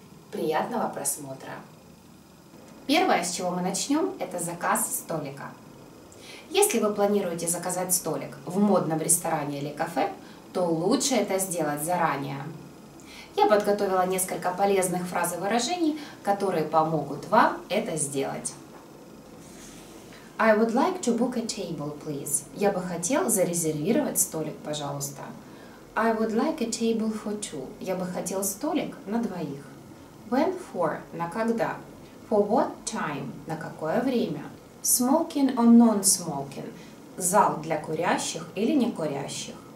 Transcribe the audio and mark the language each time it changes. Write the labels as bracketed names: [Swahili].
[Russian] Приятного просмотра! Первое, с чего мы начнем, это заказ столика. Если вы планируете заказать столик в модном ресторане или кафе, то лучше это сделать заранее. Я подготовила несколько полезных фраз и выражений, которые помогут вам это сделать. [English] I would like to book a table, please. [Russian] Я бы хотел зарезервировать столик, пожалуйста. [English] I would like a table for two. [Russian] Я бы хотел столик на двоих. [English] When for? [Russian] На когда? [English] For what time? [Russian] На какое время? [English] Smoking or non-smoking? [Russian] Зал для курящих или не курящих?